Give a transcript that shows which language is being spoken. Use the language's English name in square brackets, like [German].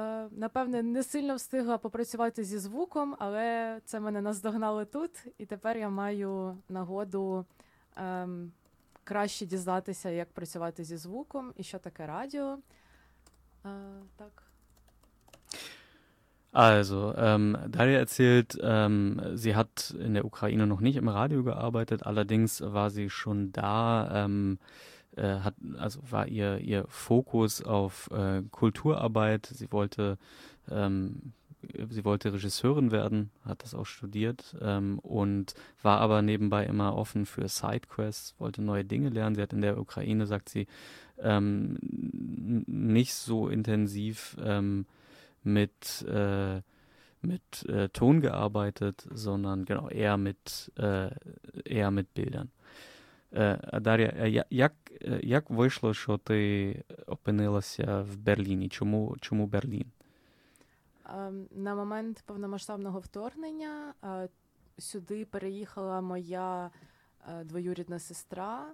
[Ukrainian] Напевне, не сильно встигла попрацювати зі звуком, але це мене наздогнало тут, і тепер я маю нагоду краще дізнатися, як працювати зі звуком і що таке радіо. Так. [German] Also, Daria erzählt, sie hat in der Ukraine noch nicht im Radio gearbeitet, allerdings war sie schon da, war ihr Fokus auf Kulturarbeit. Sie wollte Regisseurin werden, hat das auch studiert und war aber nebenbei immer offen für Sidequests, wollte neue Dinge lernen. Sie hat in der Ukraine, sagt sie, nicht so intensiv mit Ton gearbeitet, sondern genau eher mit Bildern. [Ukrainian] Дар'я, як вийшло, що ти опинилася в Берліні? Чому Берлін? На момент повномасштабного вторгнення сюди переїхала моя двоюрідна сестра.